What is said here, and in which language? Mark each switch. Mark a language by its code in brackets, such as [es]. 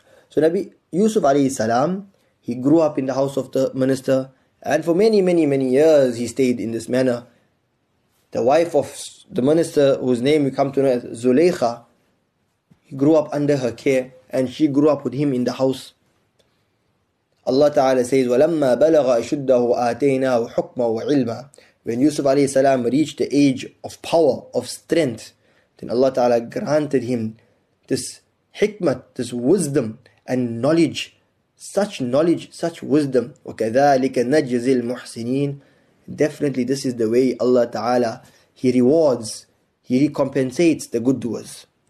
[en] So Nabi Yusuf alayhi salam, he grew up in the house of the minister, and for many, many, many years he stayed in this manner. The wife of the minister, whose name we come to know as Zulaykha, he grew up under her care, and she grew up with him in the house. Allah Ta'ala says, [ar] وَلَمَّا بَلَغَ أَشُدَّهُ آتَيْنَاهُ حُكْمًا وَعِلْمًا. [en] When Yusuf alayhi salam reached the age of power, of strength, then Allah Ta'ala granted him this hikmat, this wisdom and knowledge, such knowledge, such wisdom. [ar] وَكَذَٰلِكَ نَجْزِي الْمُحْسِنِينَ. [en] Definitely this is the way Allah Ta'ala, He rewards, He recompensates the good doers.